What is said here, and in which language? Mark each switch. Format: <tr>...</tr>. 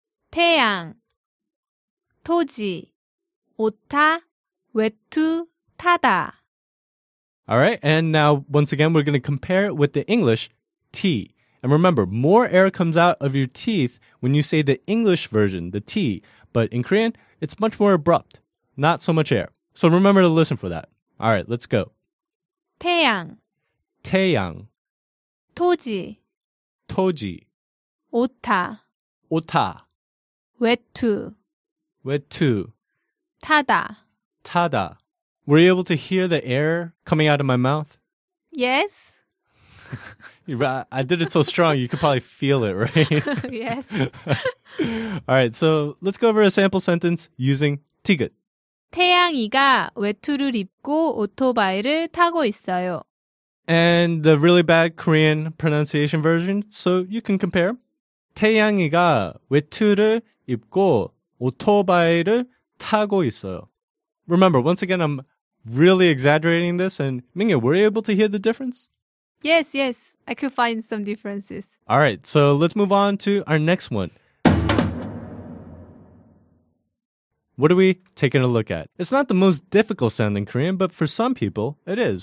<ko>태양, 토지, 오타, 외투, 타다.</ko> <en>All right, and now once again, we're going to compare it with the English 티. And remember, more air comes out of your teeth when you say the English version, the 티. But in Korean, it's much more abrupt, not so much air. So remember to listen for that. All right, let's go.</en> <ko>태양, 태양, 토지, 토지, 오타, 오타, 외투, 외투, 타다, 타다.</ko> <en>Were you able to hear the air coming out of my mouth? Yes. I did it so strong, you could probably feel it, right? Yes. All right, so let's go over a sample sentence using 티긋.</en> <ko>태양이가 외투를 입고 오토바이를 타고 있어요.</ko> <en>And the really bad Korean pronunciation version, so you can compare.</en> <ko>태양이가 외투를 입고 오토바이를 타고 있어요.</ko> <en>Remember, once again, I'm really exaggerating this. And Mingyu, were you able to hear the difference? Yes, yes. I could find some differences. All right, so let's move on to our next one. What are we taking a look at? It's not the most difficult sound in Korean, but for some people, it is.</en>